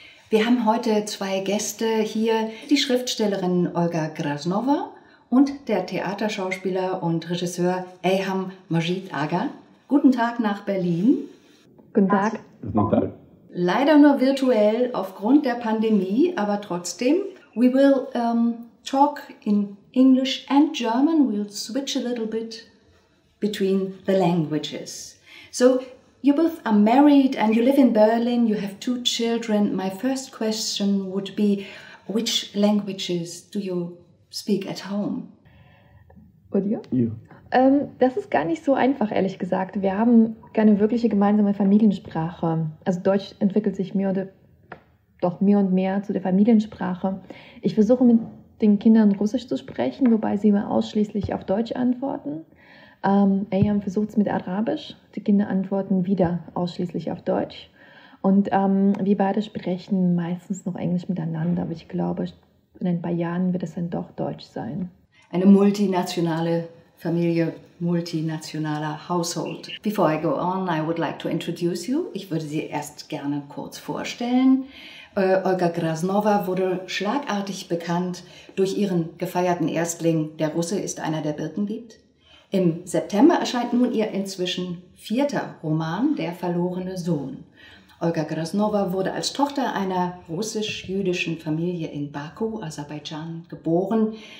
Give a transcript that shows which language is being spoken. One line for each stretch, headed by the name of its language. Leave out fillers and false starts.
German: Wir haben heute 2 Gäste hier, die Schriftstellerin Olga Krasnova und der Theaterschauspieler und Regisseur Ayham Majid Aga. Guten Tag nach Berlin. Guten Tag. Leider nur virtuell aufgrund der Pandemie, aber trotzdem.
English: We will talk in English and German. We'll switch a little bit between the languages. So, you both are married and you live in Berlin, you have 2 children. My first question would be, which languages do you speak at home?
German: Und
English: you? You.
German: Das ist gar nicht so einfach, ehrlich gesagt. Wir haben keine wirkliche gemeinsame Familiensprache. Also Deutsch entwickelt sich mehr und mehr zu der Familiensprache. Ich versuche mit den Kindern Russisch zu sprechen, wobei sie immer ausschließlich auf Deutsch antworten. Ayham versucht es mit Arabisch, die Kinder antworten wieder ausschließlich auf Deutsch. Und wir beide sprechen meistens noch Englisch miteinander, aber ich glaube, in ein paar Jahren wird es dann doch Deutsch sein. Eine multinationale Familie, multinationaler Haushalt.
English: Before I go on, I would like to introduce you.
German: Ich würde Sie erst gerne kurz vorstellen. Olga Krasnova wurde schlagartig bekannt durch ihren gefeierten Erstling Der Russe ist einer, der Birken liebt. Im September erscheint nun ihr inzwischen 4. Roman, Der verlorene Sohn. Olga Krasnova wurde als Tochter einer russisch-jüdischen Familie in Baku, Aserbaidschan, geboren.